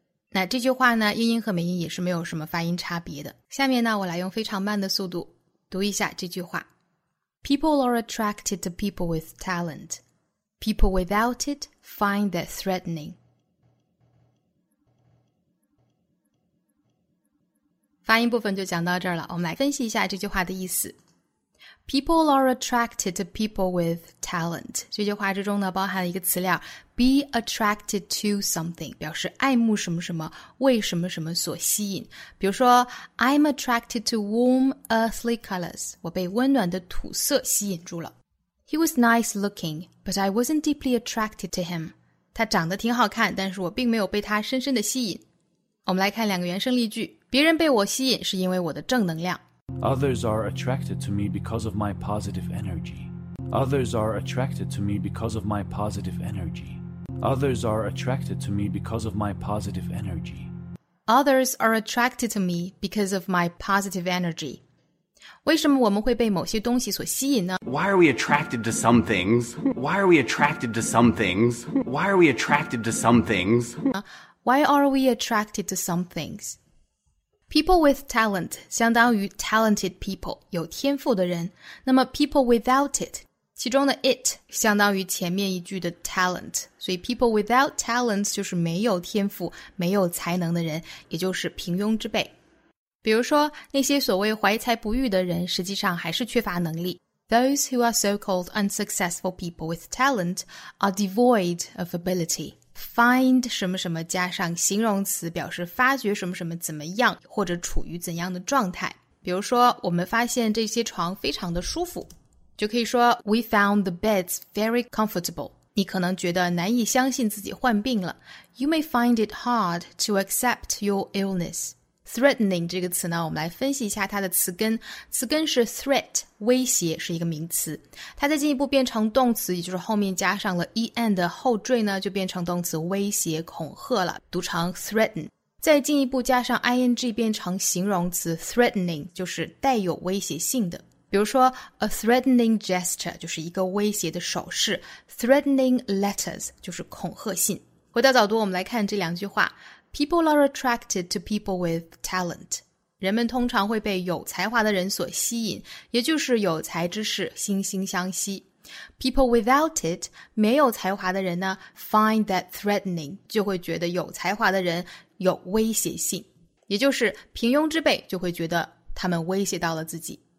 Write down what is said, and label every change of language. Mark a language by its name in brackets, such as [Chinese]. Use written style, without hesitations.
[Chinese] 那这句话呢，英音和美音也是没有什么发音差别的。下面呢，我来用非常慢的速度读一下这句话。 [English] People are attracted to people with talent. People without it find that threatening. [Chinese] 发音部分就讲到这儿了，我们来分析一下这句话的意思。 [English] People are attracted to people with talent. [Chinese] 这句话之中呢，包含了一个词料 [English] be attracted to something， [Chinese] 表示爱慕什么什么，为什么什么所吸引。比如说 [English] I'm attracted to warm earthly colors. [Chinese] 我被温暖的土色吸引住了。 [English] He was nice looking, but I wasn't deeply attracted to him. [Chinese] 他长得挺好看，但是我并没有被他深深的吸引。我们来看两个原声例句。别人被我吸引是因为我的正能量。 [English] Others are attracted to me because of my positive energy. Others are attracted to me because of my positive energy. Others are attracted to me because of my positive energy. Others are attracted to me because of my positive energy. [Chinese] 为什么我们会被某些东西所吸引呢？ [English] Why are we attracted to some things? Why are we attracted to some things? Why are we attracted to some things? Why are we attracted to some things? People with talent [Chinese] 相当于 [English] talented people， [Chinese] 有天赋的人。那么 [English] people without it， [Chinese] 其中的 it 相当于前面一句的 talent， 所以 [English] people without talent [Chinese] 就是没有天赋、没有才能的人，也就是平庸之辈。比如说，那些所谓怀才不遇的人，实际上还是缺乏能力。 [English] Those who are so-called unsuccessful people with talent are devoid of ability. [Chinese] Find 什么什么加上形容词，表示发掘什么什么怎么样，或者处于怎样的状态。比如说，我们发现这些床非常的舒服，就可以说 [English] We found the beds very comfortable. [Chinese] 你可能觉得难以相信自己患病了。 [English] You may find it hard to accept your illness. [Chinese] threatening 这个词呢，我们来分析一下它的词根。词根是 threat, 威胁，是一个名词。它再进一步变成动词，也就是后面加上了 en 的后缀呢，就变成动词威胁、恐吓了，读成 threaten。再进一步加上 ing 变成形容词 threatening, 就是带有威胁性的。比如说 [English] a threatening gesture, [Chinese] 就是一个威胁的手势 , [English] threatening letters, [Chinese] 就是恐吓信。回到早读，我们来看这两句话。 [English] People are attracted to people with talent. [Chinese] 人们通常会被有才华的人所吸引，也就是有才之士惺惺相惜。 [English] People without it, [Chinese] 没有才华的人呢 [English] find that threatening, [Chinese] 就会觉得有才华的人有威胁性。也就是平庸之辈就会觉得他们威胁到了自己。